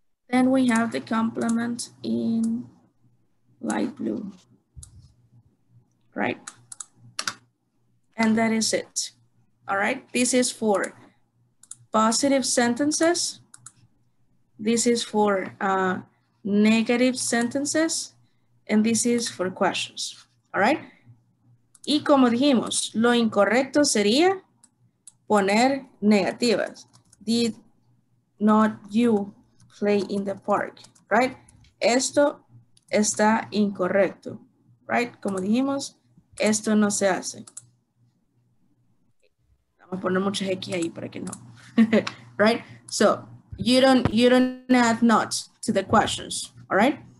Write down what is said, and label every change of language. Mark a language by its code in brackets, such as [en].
[en] Then we have the complement in light blue, right? And that is it, all right? This is for positive sentences, this is for negative sentences, and this is for questions, all right? [es] Y como dijimos, lo incorrecto sería poner negativas. [en] Did not you play in the park, right? [es] Esto está incorrecto, right? Como dijimos, esto no se hace. Vamos a poner muchas X ahí para que no. [en] Right? So, you don't add not to the questions, all right?